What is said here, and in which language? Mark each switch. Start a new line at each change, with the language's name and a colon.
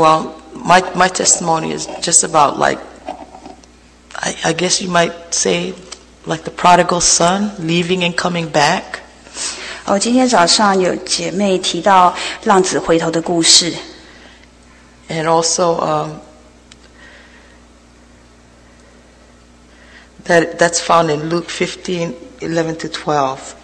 English: Well, my testimony is just about like, I guess you might say, like the prodigal son leaving and coming back.
Chinese: 哦，今天早上有姐妹提到浪子回头的故事。
English: And also, That's found in Luke 15:11-12.